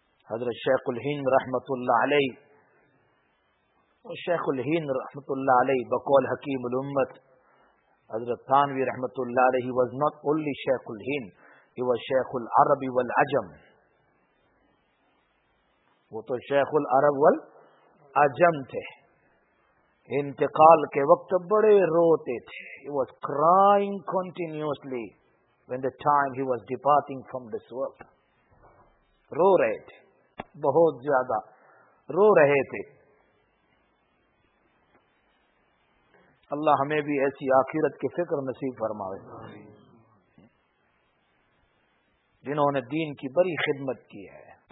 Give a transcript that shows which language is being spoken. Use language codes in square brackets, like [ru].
[ur] حضرت شیخ الہند رحمت اللہ علیہ، بقول حکیم الامت حضرت تھانوی رحمت اللہ علیہ، وزنت اولی شیخ الہند، ہی وہ شیخ العرب والعجم، وہ تو شیخ العرب والعجم تھے. انتقال کے وقت بڑے روتے تھے. [en] He was crying continuously when the time he was departing from this world. [ur] رو رہے تھے، بہت زیادہ رو رہے تھے. اللہ ہمیں بھی ایسی آخرت کی فکر نصیب فرماوے، جنہوں نے دین کی بڑی خدمت کی ہے.